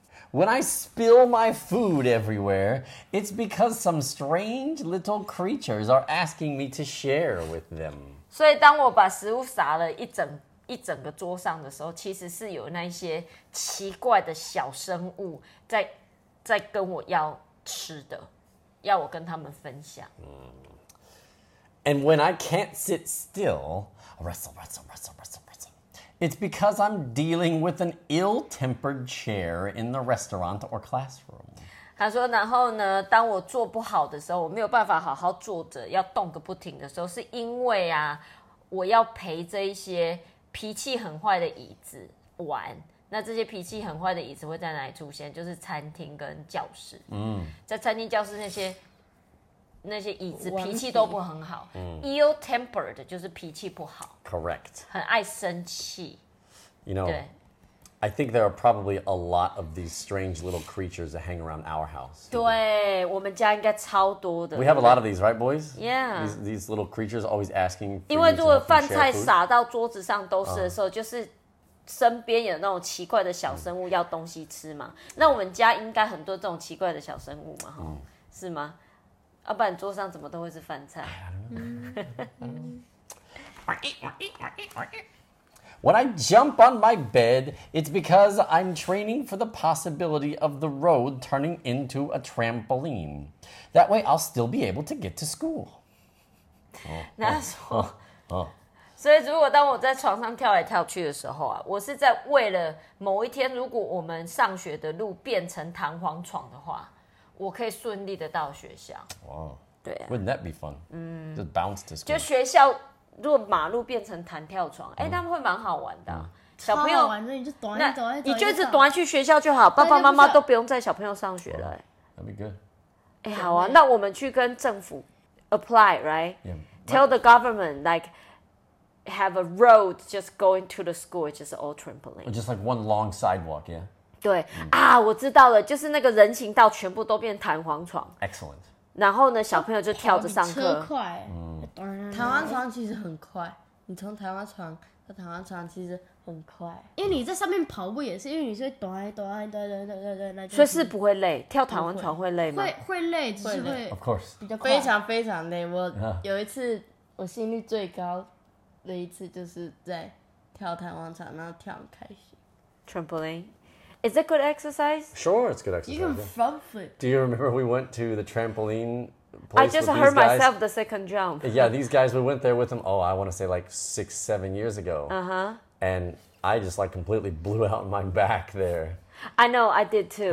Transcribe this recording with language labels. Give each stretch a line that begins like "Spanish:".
English: When I spill my food everywhere, it's because some strange little creatures are asking me to share with them.
Chinese: 所以当我把食物撒了一整个桌上的时候，其实是有那些奇怪的小生物在跟我要吃的，要我跟他们分享。
English: And when I can't sit still, wrestle, wrestle, wrestle, wrestle, wrestle, it's because I'm dealing with an ill-tempered chair in the restaurant or classroom.
Chinese: 他说，然后呢，当我坐不好的时候，我没有办法好好坐着，要动个不停的时候，是因为啊，我要陪这一些脾气很坏的椅子玩。那这些脾气很坏的椅子会在哪里出现？就是餐厅跟教室。在餐厅、教室那些椅子脾气都不很好、ill-tempered 就是脾气不好
English: correct
Chinese: 很爱生气
English: you know I think there are probably a lot of these strange little creatures that hang around our house
Chinese: 对我们家应该超多的
English: we have a lot of these right boys yeah these little creatures always asking
Chinese: 因为如果饭菜撒到桌子上都是的时候、就是身边有那种奇怪的小生物要东西吃嘛、那我们家应该很多这种奇怪的小生物嘛、是吗要、不然桌上怎么都会是饭菜
English: When I jump on my bed, it's because I'm training for the possibility of the road turning into a trampoline. That way I'll still be able to get to school.
Chinese: 那他说所以如果当我在床上跳来跳去的时候啊，我是在为了某一天如果我们上学的路变成弹簧床的话我可以顺利的到学校。
English: Wow.
Chinese: 对、
English: Wouldn't that be fun?、Just bounce to school.
Chinese: 就学校如果马路变成弹跳床、他们会蛮好玩的、小朋友玩的你就短一走你就一直短去学校就好爸爸妈妈都不用载小朋友上学了、
English: That'd be good.
Chinese: 哎、好啊那我们去跟政府
English: apply, right? Yeah. Tell the government, like, have a road just going to the school, just all trampoline. Just like one long sidewalk, yeah?
Chinese: 对、啊，我知道了，就是那个人行道全部都变弹簧床。
English: Excellent。
Chinese: 然后呢，小朋友就跳着上课。车快、弹簧床其实很快，你从弹簧床到弹簧床其实很快，因为你在上面跑步也是，因为你是咚咚咚咚咚咚咚咚，所以是不会累，跳弹簧床会累吗？会累，只是会。
English: Of course。
Chinese: 比较非常非常累。我有一次我心率最高的一次就是在跳弹簧床，然后跳很开心。
English: Trampoline。 Is it good exercise? Sure, it's good exercise. Even front flip. Do you remember we went to the trampoline place I just with hurt these guys? Myself the second jump. Yeah, these guys, we went there with them, oh, I want to say like 6-7 years ago. And I just like completely blew out my back there. I know, I did too.